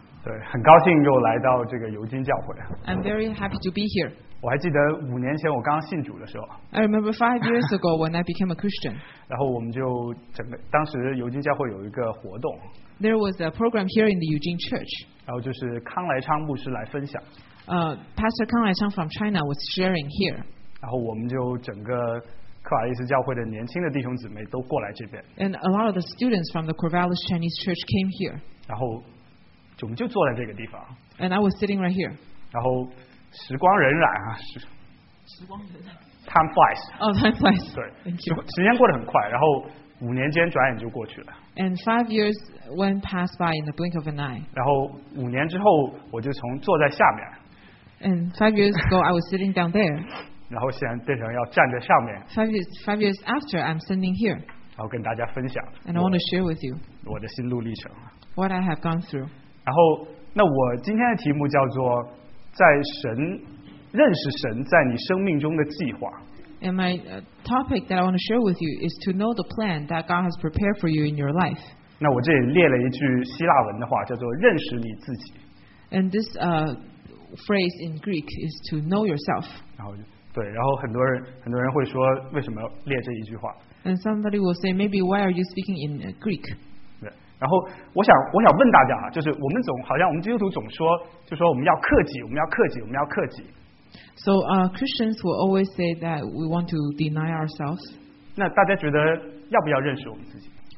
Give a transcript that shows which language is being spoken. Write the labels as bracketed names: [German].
[Chinese] 对，很高兴又来到这个尤金教会。 [English] I'm very happy to be here. [Chinese] 我还记得五年前我刚信主的时候。 [English] I remember 5 years ago when I became a Christian. [Chinese] 然后我们就整个，当时尤金教会有一个活动。 [English] There was a program here in the Eugene Church. [Chinese] 然后就是康来昌牧师来分享。 [English] Pastor 康来昌 from China was sharing here. [Chinese] 然后我们就整个克瓦利斯教会的年轻的弟兄姊妹都过来这边。 [English] And a lot of the students from the Corvallis Chinese Church came here. [Chinese] 然后，我们就坐在这个地方。 [English] And I was sitting right here. [Chinese] 然后，时光荏苒啊，时光荏苒。 [English] Time flies. Oh, time flies. [Chinese] 对 [English] ，Thank you. [Chinese] 时间过得很快，然后五年间转眼就过去了。 [English] And 5 years went past by in the blink of an eye. [Chinese] 然后五年之后，我就从坐在下面。 [English] And 5 years ago, I was sitting down there. [Chinese] 然后现在变成要站在上面。 [English] Five years after, I'm standing here. [Chinese] 然后跟大家分享。 [English] And I want to share with you [Chinese] 我的心路历程。 [English] What I have gone through. [Chinese] 然后，那我今天的题目叫做在神认识神在你生命中的计划。 [English] And my topic that I want to share with you is to know the plan that God has prepared for you in your life. [Chinese] 那我这里列了一句希腊文的话，叫做认识你自己。 [English] And this phrase in Greek is to know yourself. [Chinese] 然后对，然后很多人会说，为什么列这一句话 [English] ？And somebody will say, maybe why are you speaking in Greek？ [Chinese] 对，然后我想问大家啊，就是我们总好像我们基督徒总说，就说我们要克己，我们要克己，我们要克己。 [English] So Christians will always say that we want to deny ourselves。 [Chinese] 那大家觉得要不要认识我们自己